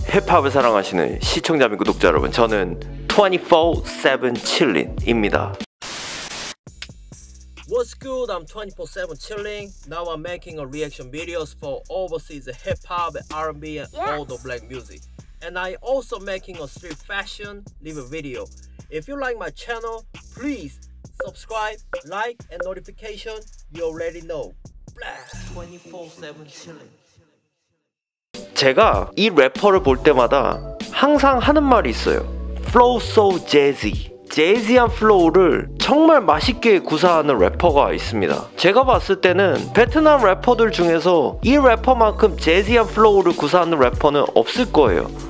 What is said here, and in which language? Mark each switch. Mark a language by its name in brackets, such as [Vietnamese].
[Korean] 힙합을 사랑하시는 시청자 및 구독자 여러분, 저는 24/7 칠린입니다. [English] What's good? I'm 24/7 chilling. Now I'm making a reaction videos for overseas hip hop, R&B, and all the black music. And I also making a street fashion live video. If you like my channel, please subscribe, like, and notification. You already know. Blah. 24/7 chilling. [Korean] 제가 이 래퍼를 볼 때마다 항상 하는 말이 있어요. [English] Flow so jazzy. [Korean] 재즈한 플로우를 정말 맛있게 구사하는 래퍼가 있습니다. 제가 봤을 때는 베트남 래퍼들 중에서 이 래퍼만큼 재즈한 플로우를 구사하는 래퍼는 없을 거예요.